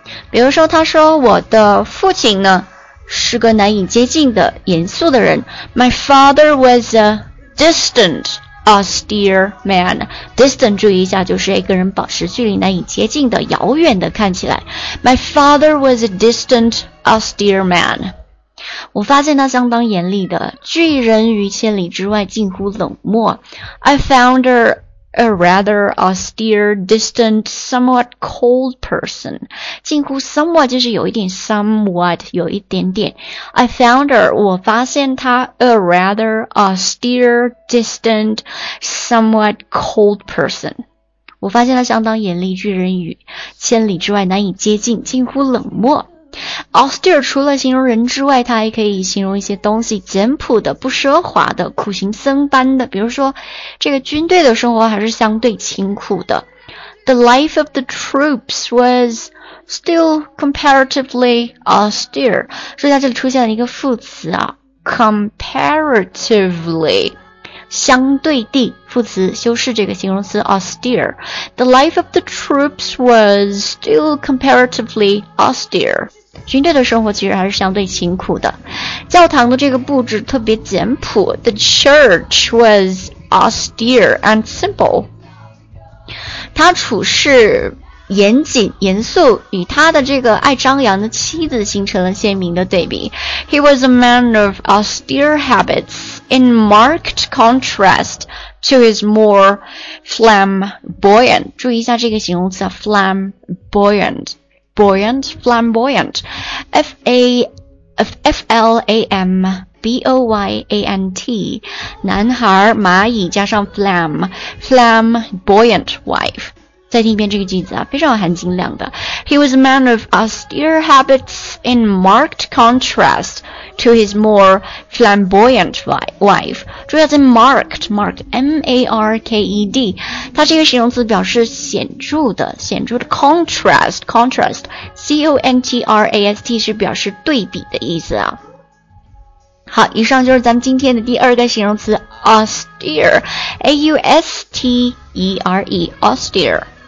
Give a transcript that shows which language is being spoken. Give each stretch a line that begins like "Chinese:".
Chinese: 比如说，他说我的父亲呢是个难以接近的严肃的人。
English: My father was a distant austere man.
Chinese: Distant， 注意一下，就是一个人保持距离、难以接近的、遥远的，看起来。
English: My father was a distant austere man.
Chinese: 我发现他相当严厉的，拒人于千里之外，近乎冷漠。
English: I found her a rather austere, distant, somewhat cold person.
Chinese: 近乎 somewhat 就是有一点 somewhat, 有一点点。
English: I found her,
Chinese: 我发现他
English: a rather austere, distant, somewhat cold person.
Chinese: 我发现他相当严厉，拒人于千里之外，难以接近，近乎冷漠。 Austere 除了形容人之外，它还可以形容一些东西，简朴的、不奢华的、苦行僧般的。比如说，这个军队的生活还是相对清苦的。
English: The life of the troops was still comparatively austere.
Chinese: 所以它这里出现了一个副词啊 ，comparatively， 相对地，副词修饰这个形容词 austere.
English: The life of the troops was still comparatively austere.
Chinese: 军队的生活其实还是相对清苦的，教堂的这个布置特别简朴。
English: The church was austere and simple.
Chinese: 他处事严谨严肃，与他的这个爱张扬的妻子形成了鲜明的对比。
English: He was a man of austere habits, in marked contrast to his more flamboyant.
Chinese: 注意一下这个形容词 flamboyant.
English: Buoyant, flamboyant, F-L-A-M-B-O-Y-A-N-T,
Chinese: 男孩蚂蚁加上
English: flam, flamboyant wife.
Chinese: 再听一遍这个句子啊，非常有含金量的。
English: He was a man of austere habits in marked contrast to his more flamboyant wife.
Chinese: 主要在 marked, M-A-R-K-E-D, 它是一个形容词，表示显著的、显著的 contrast, C-O-N-T-R-A-S-T 是表示对比的意思啊。好，以上就是咱们今天的第二个形容词 austere, A-U-S-T-E-R-E, austere。